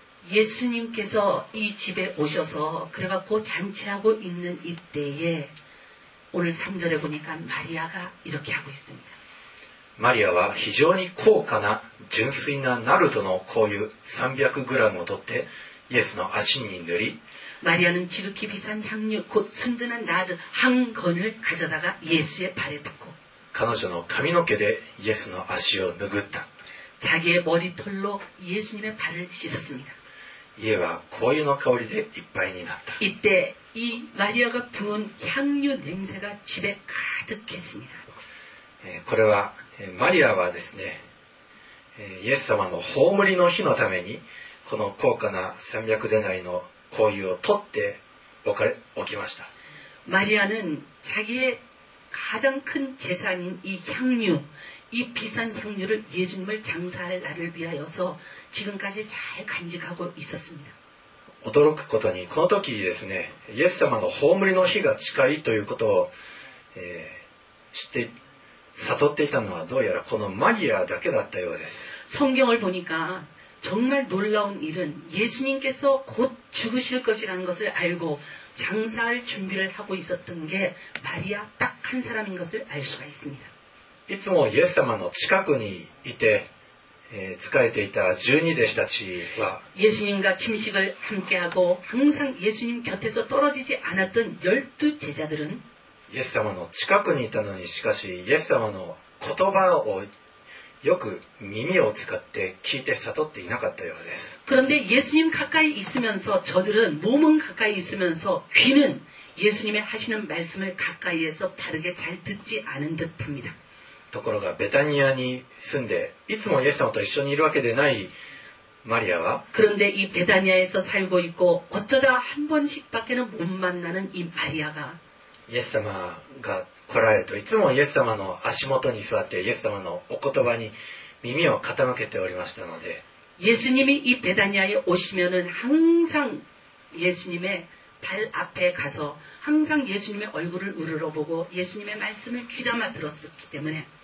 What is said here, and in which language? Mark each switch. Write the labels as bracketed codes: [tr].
[ko] 예수님께서이집에오셔서그래갖고잔치하고있는이때에오늘3절에보니까마리아가이렇게하고있습니다 마리아와 [ja] 非常に高価な純粋なナルドの香油 300g を取ってイエスの足に塗り [ko] 마리아는지극히비싼향유곧순전한나드한건을가져다가예수의발에붓고 [ja] 彼女の髪の毛でイエスの足を拭った [ko] 자기의머리털로예수님의발을씻었습니다 [ja] 家は香油の香りでいっぱいになった [ko] 이때이마리아가부은향유냄새가집에가득했습니다 [ja] これはマリアはですね、イエス様の葬りの日のためにこの高価な300デナリの香油を取って置きました。マリアは [ko] 자기의가장큰재산인이향유이비싼향유를예수님을장사할날을위하여서지금까지잘간직하고있었습니다 [ja] 驚くことにこの時ですねイエス様の葬りの日が近いということを、知って悟っていたのはどうやらこのマリアだけだったようです [ko] 성경을보니까정말놀라운일은예수님께서곧죽으실것이라는것을알고장사할준비를하고있었던게마리아딱한사람인것을알수가있습니다 [ja] いつもイエス様の近くにいて仕えていた十二弟子たちは [ko] 예수님과침식을함께하고항상예수님곁에서떨어지지않았던열두제자들은 [ja] イエス様の近くにいたのにしかしイエス様の言葉をよく耳を使って聞いて悟っていなかったようです [ko] 그런데예수님가까이있으면서저들은몸은가까이있으면서귀는예수님의하시는말씀을가까이에서바르게잘듣지않은듯합니다 [ja] ところがベタニアに住んでいつもイエス様と一緒にいるわけでないマリアは [ko] 그런데이베다니아에서살고있고어쩌다한번씩밖에는못만나는이마리아가 [ja] イエス様が来られるといつもイエス様の足元に座ってイエス様のお言葉に耳を傾けておりましたので [ko] イエス님이이베다니아에오시면은항상예수님의발앞에가서항상예수님의얼굴을우르러보고예수님의말씀을귀담아들었었기때문에